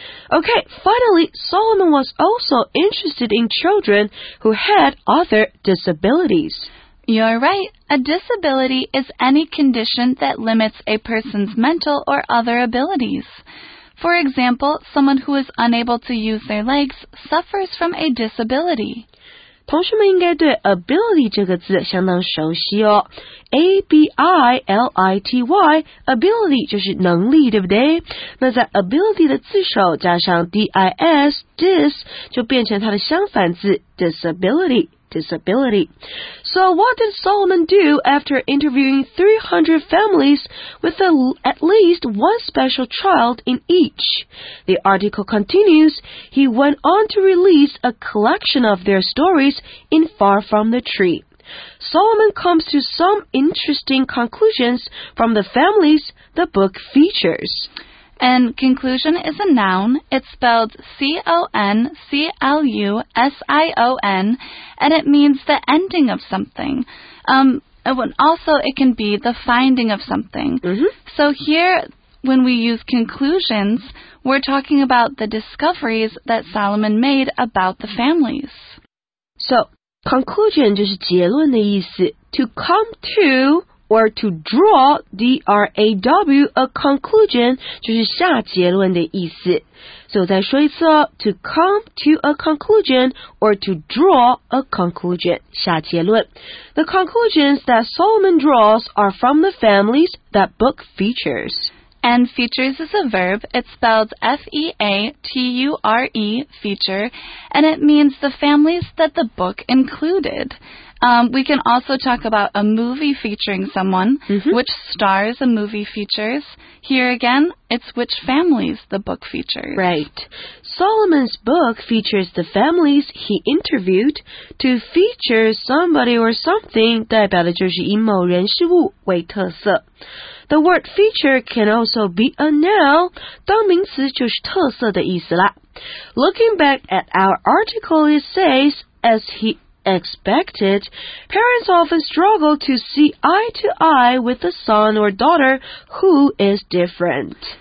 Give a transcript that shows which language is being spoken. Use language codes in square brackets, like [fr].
[en] Okay, finally, Solomon was also interested in children who had other disabilities. You're right. A disability is any condition that limits a person's mental or other abilities. For example, someone who is unable to use their legs suffers from a disability. [zh] 同学们应该对 ability 这个字相当熟悉哦。 A-B-I-L-I-T-Y, ability 就是能力，对不对？那在 ability 的字首加上 D-I-S, dis, 就变成它的相反字 disability. Disability. [en] So what did Solomon do after interviewing 300 families with at least one special child in each? The article continues, he went on to release a collection of their stories in Far From the Tree. Solomon comes to some interesting conclusions from the families the book features. And conclusion is a noun. It's spelled C-O-N-C-L-U-S-I-O-N, and it means the ending of something. Also, it can be the finding of something. Mm-hmm. So here, when we use conclusions, we're talking about the discoveries that Solomon made about the families. [zh] So, conclusion 就是结论的意思. [en] To come to... or to draw, D-R-A-W, a conclusion, [zh] 就是下结论的意思。 [en] So [zh] 再说一次哦, [en] to come to a conclusion, or to draw a conclusion, [zh] 下结论。 [en] The conclusions that Solomon draws are from the families that book features. And features is a verb, it's spelled F-E-A-T-U-R-E, feature, and it means the families that the book included. We can also talk about a movie featuring someone,、 mm-hmm. which stars a movie features. Here again, it's which families the book features. Right. Solomon's book features the families he interviewed. To feature somebody or something [zh] 代表的就是以某人事物为特色。 [en] The word feature can also be a noun, [zh] 当名词就是特色的意思啦。 [en] Looking back at our article, it says, as heexpected, parents often struggle to see eye to eye with a son or daughter who is different.